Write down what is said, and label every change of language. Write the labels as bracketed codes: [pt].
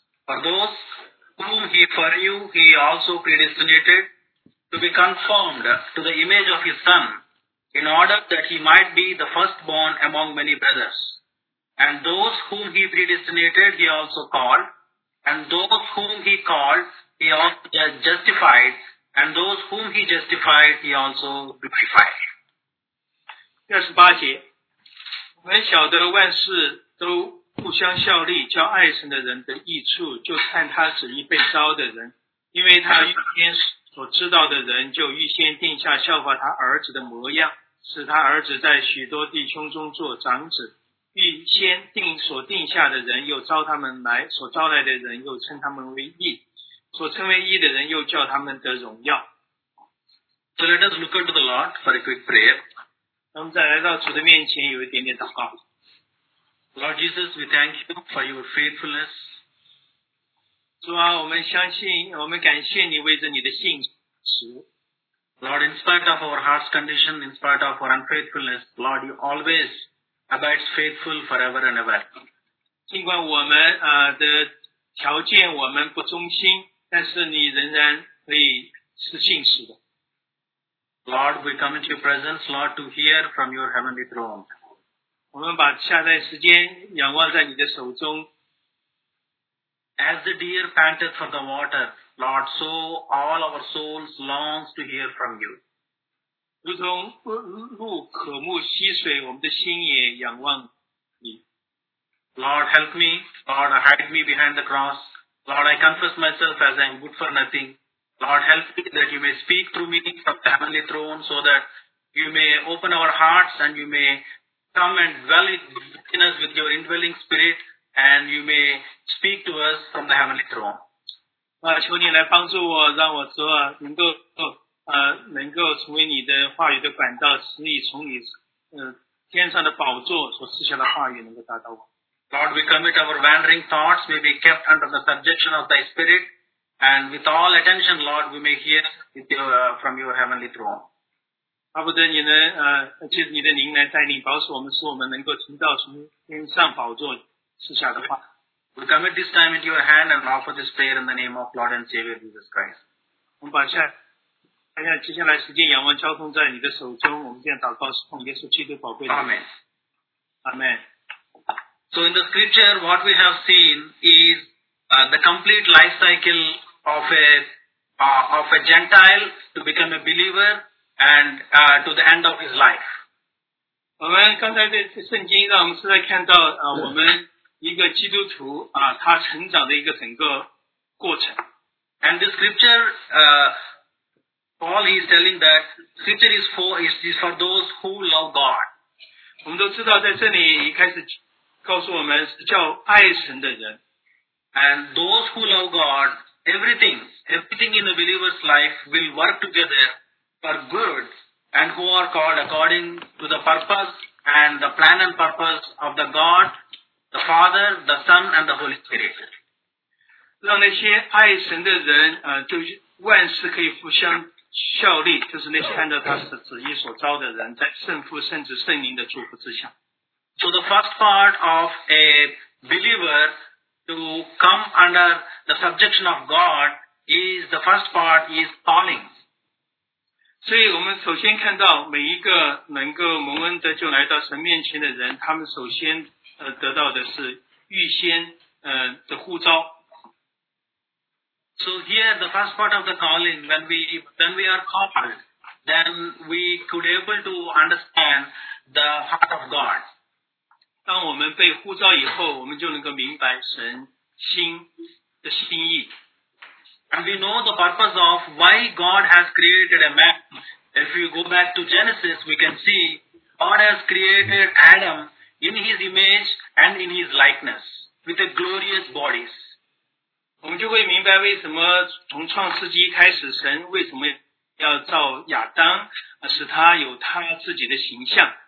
[en] For those whom He foreknew, He also predestinated to be conformed to the image of His Son, in order that He might be the firstborn among many brothers. And those whom He predestinated, He also called. And those whom He called, He also justified. And those whom He justified, He also glorified. [zh] 第二十八节，我们晓得万事都互相效力，叫爱神的人得益处，就看他旨意被招的人，因为他预先所知道的人，就预先定下效法他儿子的模样，使他儿子在许多弟兄中做长子。预先定所定下的人又招他们来，所招来的人又称他们为义，所称为义的人又叫他们得荣耀。 [en] So let us look unto the Lord for a quick prayer. [zh] 我们再来到主的面前有一点点祷告。 [en] Lord Jesus, we thank you for your faithfulness. [zh] 主啊，我们相信，我们感谢你为着你的信实。 [en] Lord, in spite of our heart's condition, in spite of our unfaithfulness, Lord, you always... abides faithful forever and ever. [zh] 尽管我们的条件我们不忠心，但是你仍然可以是信实的。 [en] Lord, we come into your presence, Lord, to hear from your heavenly throne. [zh] 我们把下载时间仰望在你的手中。 [en] As the deer panteth for the water, Lord, so all our souls longs to hear from you. [zh] 如同鹿渴慕溪水，我们的心也仰望你。 [en] Lord, help me. Lord, hide me behind the cross. Lord, I confess myself as I am good for nothing. Lord, help me that you may speak through me from the heavenly throne so that you may open our hearts and you may come and dwell in us with your indwelling spirit and you may speak to us from the heavenly throne. [zh] 求你来帮助我，让我说能够能够成为你的话语的管道，使你从你天上的宝座所赐下的话语能够达到我。 [en] Lord, we commit our wandering thoughts, may be kept under the subjection of thy spirit, and with all attention, Lord, we may hear from your heavenly throne. [zh] 巴不得你能借着你的灵来带领保守我们，使我们能够听到从天上宝座赐下的话。 [en] We commit this time into your hand and offer this prayer in the name of Lord and Savior Jesus Christ. [zh] 我们把接下来时间仰望交通在你的手中，我们这样祷告是奉耶稣基督宝贵的。 [en] Amen. Amen. So in the scripture, what we have seen is the complete life cycle of a Gentile to become a believer and to the end of his life. [zh] 我们刚才在圣经让我们是在看到我们一个基督徒他成长的一个整个过程。 [en] And the scripture, Paul is telling that scripture is for those who love God. [zh] 我们都知道在这里一开始告诉我们是叫爱神的人。 [en] And those who love God, everything in the believer's life will work together for good and who are called according to the purpose and the plan and purpose of the God,The Father, the Son, and the Holy Spirit. [zh] 让那些爱神的人就万事可以互相效力，就是那些按照他的旨意所招的人，在圣父、圣子、圣灵的祝福之下。 [en] So the first part of a believer to come under the subjection of God is the first part is calling. [zh] 所以我们首先看到每一个能够蒙恩的就来到神面前的人，他们首先得到的是预先的呼召。 [en] So here the first part of the calling, when we are called, then we could able to understand the heart of God. [zh] 当我们被呼召以后，我们就能够明白神心的心意。 [en] And we know the purpose of why God has created a man. If you go back to Genesis, we can see God has created Adam. In his image and in his likeness, with a glorious bodies. [zh] 我们就会明白为什么从创世纪开始，神为什么要造亚当，使他有他自己的形象。